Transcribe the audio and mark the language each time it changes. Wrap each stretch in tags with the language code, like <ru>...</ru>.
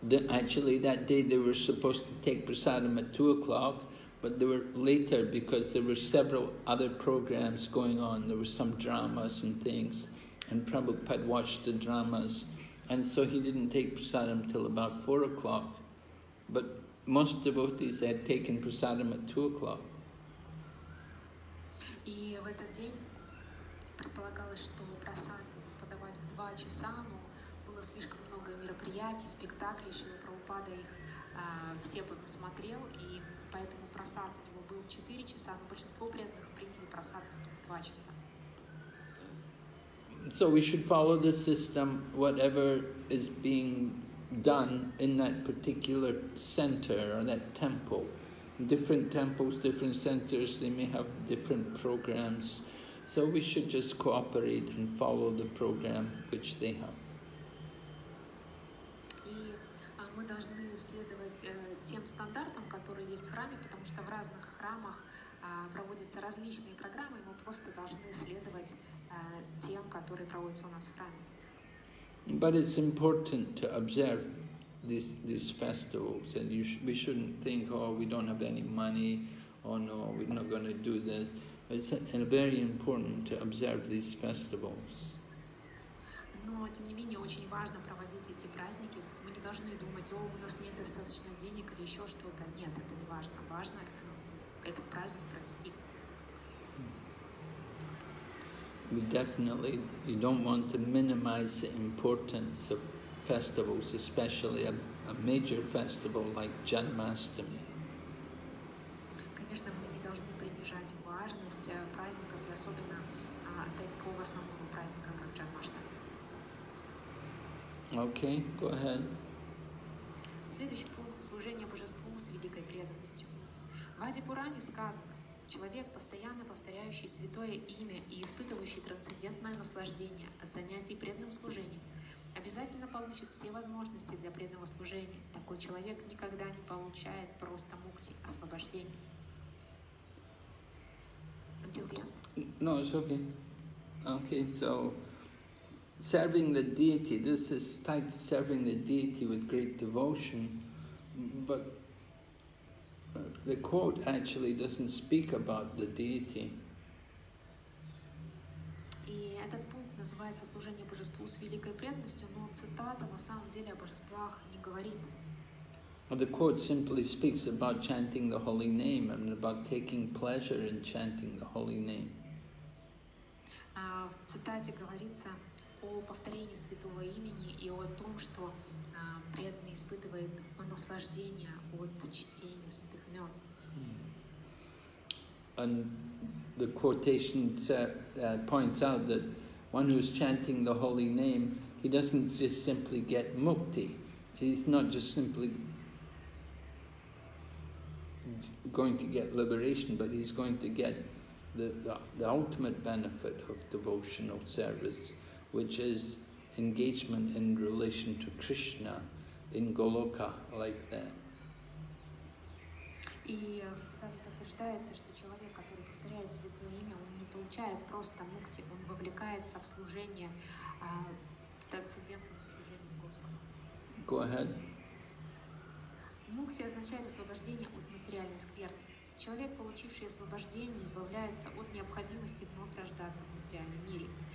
<en>Actually, that day they were supposed to take prasadam at 2 o'clock, but they were later because there were several other programs going on. There were some dramas and things, and Prabhupada watched the dramas. And so he didn't take prasadam till about 4 o'clock, but most devotees had taken prasadam at 2 o'clock.</en> <ru>И в этот день предполагалось, что прасад подавать в 2 часа, но было слишком много мероприятий, спектаклей, Шрила Прабхупада их все посмотрел, и поэтому прасад у него был в 4 часа, но большинство преданных приняли прасад в 2 часа.</ru> <en>So we should follow the system, whatever is being done in that particular center or that temple. Different temples, different centers, they may have different programs. So we should just cooperate and follow the program which they have.</en> <ru>И мы должны следовать тем стандартам, которые есть в храме, потому что в разных храмах проводятся различные программы, и мы просто должны следовать тем, которые проводятся у нас в храме.</ru> <en>But it's important to observe these festivals, and we shouldn't think, oh, we don't have any money, oh no, we're not going to do this. It's very important to observe these festivals.</en> <ru>Но, тем не менее, очень важно проводить эти праздники. Мы не должны думать, о, у нас нет достаточно денег или еще что-то. Нет, это не важно. Важно этот праздник провести.</ru> <en>We definitely, you don't want to minimize the importance of festivals, especially a major festival like Janmashtami.</en> <ru>Конечно, мы не должны принижать важность праздников, и особенно такого основного праздника, как Janmashtami.</ru> <en>Okay, go ahead.</en> <ru>Следующий пункт – служение божеству с великой преданностью. В Адипуране сказано, человек, постоянно повторяющий святое имя и испытывающий трансцендентное наслаждение от занятий преданным служением, обязательно получит все возможности для преданного служения. Такой человек никогда не получает просто мукти, освобождение.</ru> <en>No, it's okay. Okay, so serving the deity, this is tied to serving the deity with great devotion, but the quote actually doesn't speak about the deity.</en> <ru>И этот пункт называется служение божеству с великой преданностью, но цитата на самом деле о божествах не говорит.</ru> <en>The quote simply speaks about chanting the holy name and about taking pleasure in chanting the holy name.</en> <ru>В цитате говорится о повторении святого имени и о том, что преданный испытывает наслаждение от чтения святых имен.</ru> <en>And the quotation points out that one who is chanting the holy name, he doesn't just simply get mukti. He's not just simply going to get liberation, but he's going to get the ultimate benefit of devotional service, which is engagement in relation to Krishna in Goloka, like that.</en> <ru>И в цитате подтверждается, что человек, который повторяет святое имя, он не получает просто мукти, он вовлекается в служение, в трансцендентное служение Господу.</ru> <en>Go ahead.</en> <ru>Мукти означает освобождение от материальной скверны. Человек, получивший освобождение, избавляется от необходимости вновь рождаться в материальном мире.</ru>